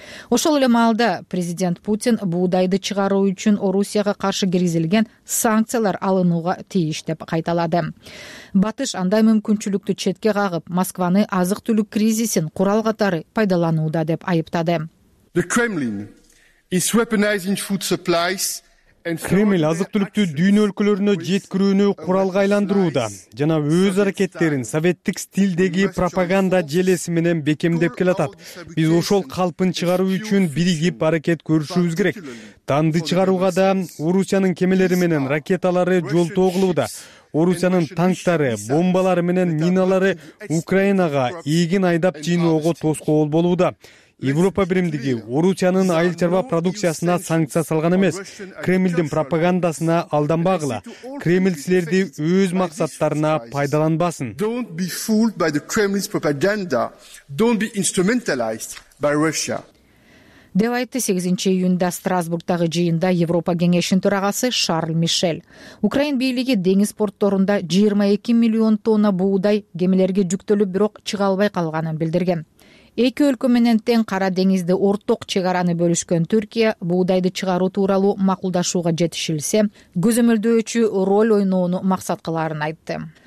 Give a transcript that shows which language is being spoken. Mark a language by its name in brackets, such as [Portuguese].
[Kyrgyz] Ошол эле маалда президент Путин буудайды чыгаруу үчүн Орусияга каршы киргизилген санкциялар алынууга тийиш деп кайталады. Батыш андай мүмкүнчүлүктү четке кагып, Москваны азык-түлүк кризисин курал катары пайдаланууда деп айыптады. [English] The Kremlin is weaponizing food supplies and [Kyrgyz] Кремль азык-түлүктү дүйнө өлкөлөрүнө жеткирүүнү куралга айландырууда жана өз аракеттерин советтик стилдеги пропаганда желеси менен бекемдеп келатат. Биз ошол калпын чыгаруу үчүн биригип аракет көрүшүбүз керек. Данды чыгарууга да Орусиянын кемелери менен ракеталары жол тогулууда. Орусиянын танктары, бомбалары менен миналары Украинага эгин айдап жыйноого тоскоол болууда. Европа биримдиги Орусиянын айыл чарба продукциясына санкция салган эмес. Кремлдин пропагандасына алданбагыла. Кремль силерди өз максаттарына пайдаланбасын. [English] Don't be fooled by the Kremlin's propaganda. Don't be instrumentalized by Russia. [Kyrgyz] деп айтты 8 июнда Страсбургтагы жыйында Европа кеңешинин төрагасы Шарль Мишель. Украина бийлиги деңиз портторунда 22 миллион тонна буудай кемелерге жүктөлүп, бирок чыга албай калганын билдирген. Эки өлкө менен тең Кара деңизди ортак чек араны бөлүшкөн Түркия буудайды чыгаруу тууралуу макулдашууга жетишилсе, көзөмөлдөөчү роль ойнонуу максат кылаарын айтты.